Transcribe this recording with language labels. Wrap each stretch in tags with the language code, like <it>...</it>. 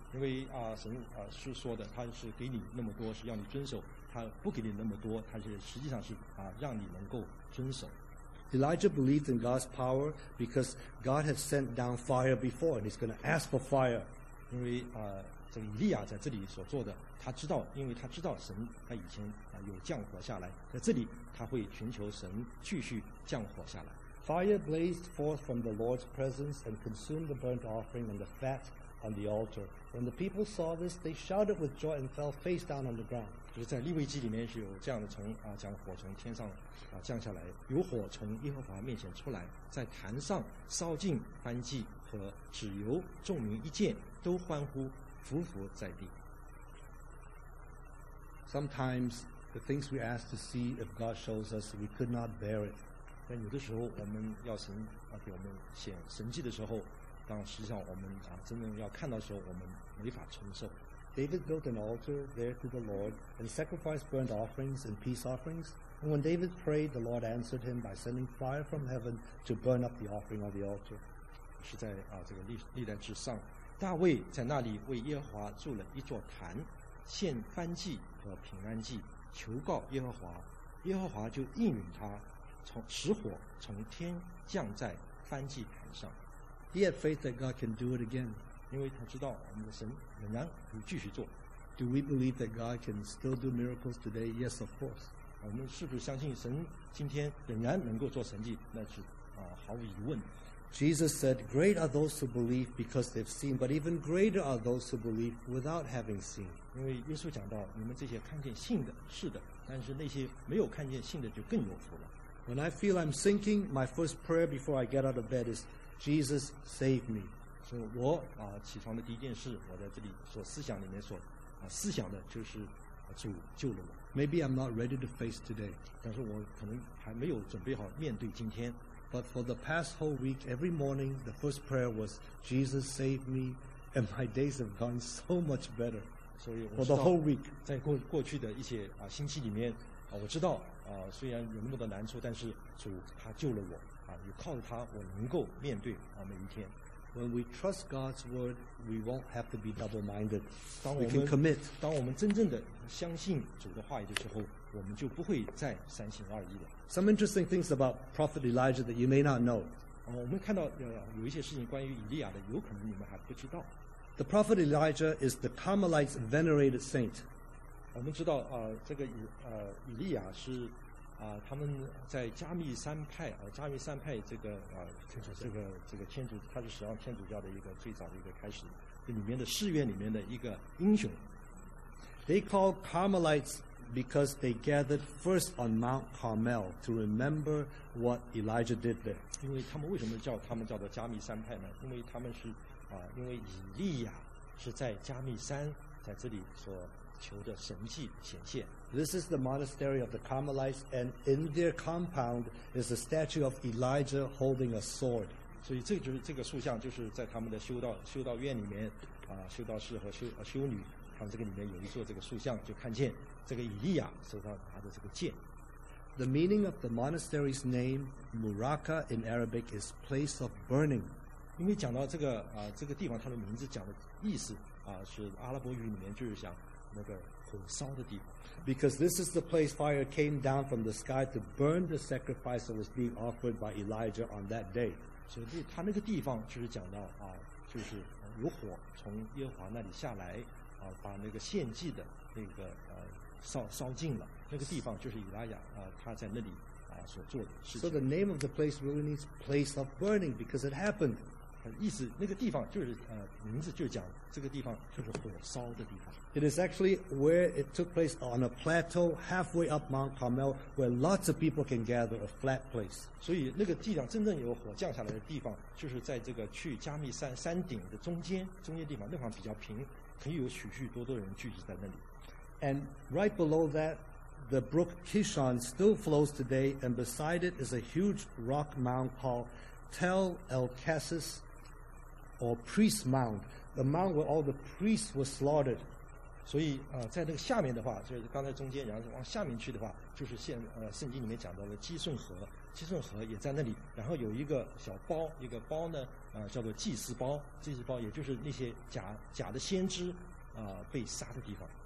<zh>因为神是说的，他是给你那么多，是要你遵守；他不给你那么多，他是实际上是让你能够遵守。</zh> <en>Elijah believed in God's power because God had sent down fire before, and he's going to ask for fire.</en> <zh>因为这个以利亚在这里所做的，他知道，因为他知道神他以前有降火下来，在这里他会寻求神继续降火下来。</zh> <en>Fire blazed forth from the Lord's presence and consumed the burnt offering and the fat on the altar. When the people saw this, they shouted with joy and fell face down on the ground.</en> <zh>就是在利未记里面是有这样的从啊，将火从天上啊降下来，有火从耶和华面前出来，在坛上烧尽燔祭和脂油，众民一见都欢呼，伏伏在地。</zh> <en>Sometimes the things we ask to see if God shows us, we could not bear it.</en> <zh>但有的时候我们要神啊给我们显神迹的时候，当实际上我们啊真正要看到的时候，我们没法承受。</zh> <en>David built an altar there to the Lord and sacrificed burnt offerings and peace offerings. And when David prayed, the Lord answered him by sending fire from heaven to burn up the offering on the altar.</en> <zh>是在啊这个历代之上，大卫在那里为耶和华筑了一座坛，献燔祭和平安祭，求告耶和华，耶和华就应允他，从使火从天降在燔祭坛上。</zh> <en>He had faith that God can do it again.</en> <zh>因为他知道我们的神仍然可以继续做。</zh> <en>Do we believe that God can still do miracles today? Yes, of course.</en> <zh>我们是不是相信神今天仍然能够做神迹？那是啊，毫无疑问。</zh> <en>Jesus said, "Great are those who believe because they've seen, but even greater are those who believe without having seen."</en> <zh>因为耶稣讲到，你们这些看见信的，是的，但是那些没有看见信的就更有福了。</zh> <en>When I feel I'm sinking, my first prayer before I get out of bed is, "Jesus, save me."</en> <zh>所以我啊起床的第一件事，我在这里所思想里面所啊思想的就是主救了我。</zh> <en>Maybe I'm not ready to face today.</en> <zh>但是我可能还没有准备好面对今天。</zh> <en>But for the past whole week, every morning, the first prayer was, "Jesus, save me," and my days have gone so much better.</en> <zh>所以我知道</zh> <en>for the whole week,</en> <zh>在过去的一些啊星期里面啊，我知道啊，虽然有那么多难处，但是主他救了我啊，也靠着他，我能够面对啊每一天。</zh> <en>When we trust God's word, we won't have to be double-minded. We can commit.</en> <zh>当我们真正的相信主的话语的时候，我们就不会再三心二意了。</zh> <en>Some interesting things about Prophet Elijah that you may not know.</en> <zh>我们看到有一些事情关于以利亚的，有可能你们还不知道。</zh> <en>The Prophet Elijah is the Carmelite's venerated saint.</en> <zh>我们知道这个以利亚是他们在加密山派加密山派这个这个天主，他是实际上天主教的一个最早的一个开始，这里面的寺院里面的一个英雄。</zh> <en>They call Carmelites. Because they gathered first on Mount Carmel to remember what Elijah did there.</en> <zh>因为他们为什么叫他们叫做加密山派呢？因为他们是因为以利亚是在加密山在这里所求的神迹显现。</zh> <en>This is the monastery of the Carmelites, and in their compound is a statue of Elijah holding a sword.</en> <zh>所以这就是这个塑像，就是在他们的修道院里面修道士和修女。他们这个里面有一座这个塑像，就看见这个以利亚手上拿着这个剑。</zh> <en>The meaning of the monastery's name, Muraka in Arabic, is place of burning.</en> <zh>因为讲到这个这个地方，它的名字讲的意思是阿拉伯语里面就是讲那个火烧的地方。</zh> <en>Because this is the place fire came down from the sky to burn the sacrifice that was being offered by Elijah on that day.</en> <zh>所以它那个地方就是讲到就是有火从耶和华那里下来。把那个献祭的那个烧尽了，那个地方就是以利亚他在那里所做的事情。</zh> <en>So the name of the place really means place of burning because it happened.</en> <zh>意思那个地方就是名字就讲这个地方就是火烧的地方。</zh> <en>It is actually where it took place on a plateau halfway up Mount Carmel where lots of people can gather a flat place.</en> <zh>所以那个地方真正有火降下来的地方就是在这个去加密山顶的中间地方，那方比较平。可以有许许多多人聚集在那里。</zh> <en>And right below that, the brook Kishon still flows today, and beside it is a huge rock mound called Tel El Kassis, or Priest Mound, the mound where all the priests were slaughtered.</en> <zh>所以在那个下面的话，就是刚才中间，然后往下面去的话，就是圣经里面讲到的基顺河，基顺河也在那里。然后有一个小包，一个包呢。叫做祭祀包，祭祀包也就是那些假的先知被杀的地方。</zh>